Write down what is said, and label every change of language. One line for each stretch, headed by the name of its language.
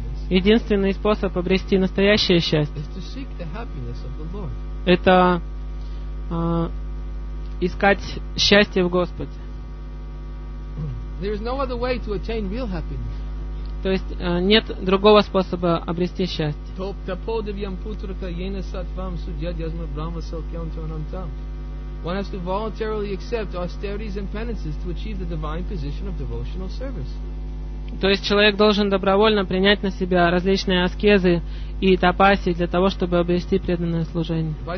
Russian: Единственный способ обрести настоящее счастье — это искать счастье в Господе.
English: There is no other way to attain real happiness.
Russian: То есть нет другого способа обрести счастье. То есть человек должен добровольно принять на себя различные аскезы и тапаси для того, чтобы обрести преданное служение.